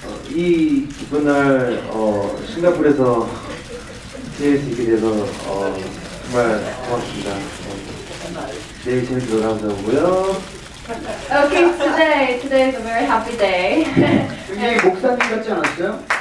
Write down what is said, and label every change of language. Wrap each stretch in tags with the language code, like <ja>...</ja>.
<ko>이 기쁜 날 싱가포르에서 함께 할 수 있게 돼서 정말 고맙습니다. 내일 재밌게 놀아보자고요.</ko> <en>Okay, today is a very happy day.</en> <ko>이게 목사님 같지 않았어요?</ko>